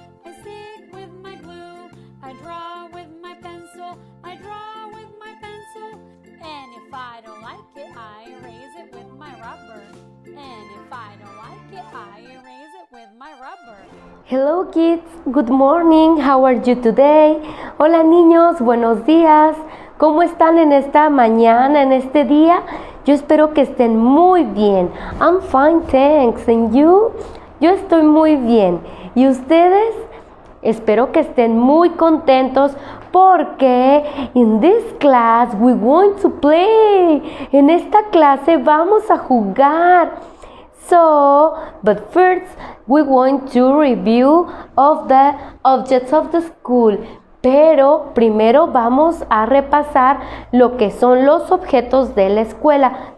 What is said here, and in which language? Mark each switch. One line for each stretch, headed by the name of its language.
English: I stick with my glue. I draw with my pencil. I draw with my pencil. And if I don't like it, I erase it with my rubber. And if I don't like it, I erase it with my rubber. Hello kids, good morning, how are you today?
Spanish: Hola niños, buenos días, ¿cómo están en esta mañana, en este día? Yo espero que estén muy bien.
English: I'm fine, thanks, and you?
Spanish: Yo estoy muy bien. ¿Y ustedes? Espero que estén muy contentos porque
English: in this class we want to play.
Spanish: En esta clase vamos a jugar.
English: So, but first, we want to review of the objects of the school.
Spanish: Pero primero vamos a repasar lo que son los objetos de la escuela.